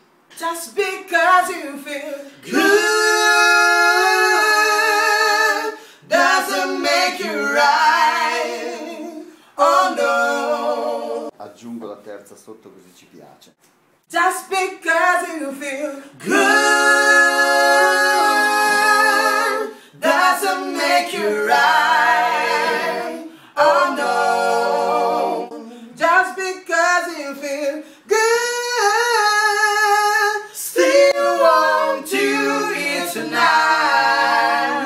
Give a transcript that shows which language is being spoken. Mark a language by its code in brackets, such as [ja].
[en] Just because you feel good doesn't make you right. Oh no. [it] Aggiungo la terza sotto così ci piace. [en] Just because you feel good doesn't make you right. Oh no. Just because you feel good still want you here tonight.